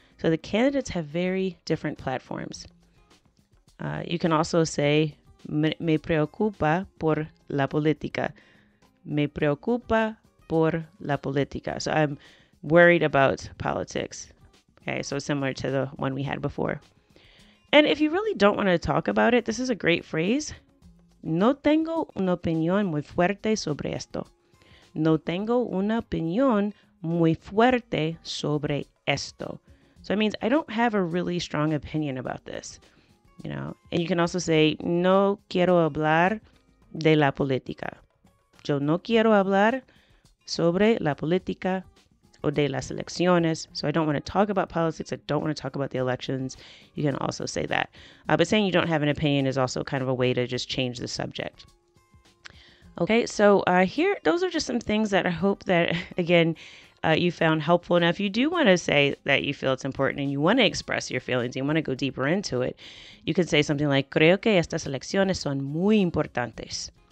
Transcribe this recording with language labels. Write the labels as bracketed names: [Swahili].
[English] So the candidates have very different platforms. You can also say, [Spanish] me preocupa por la política. Me preocupa por la política. [English] So I'm worried about politics. Okay, so similar to the one we had before. And if you really don't want to talk about it, this is a great phrase. [Spanish] No tengo una opinión muy fuerte sobre esto. No tengo una opinión muy fuerte sobre esto. [English] So it means I don't have a really strong opinion about this. You know, and you can also say, [Spanish] no quiero hablar de la política. Yo no quiero hablar sobre la política o de las elecciones. [English] So I don't want to talk about politics. I don't want to talk about the elections. You can also say that. But saying you don't have an opinion is also kind of a way to just change the subject. Okay, so here, those are just some things that I hope that, again, you found helpful. Now, if you do want to say that you feel it's important and you want to express your feelings, you want to go deeper into it, you can say something like, [Spanish] creo que estas elecciones son muy importantes.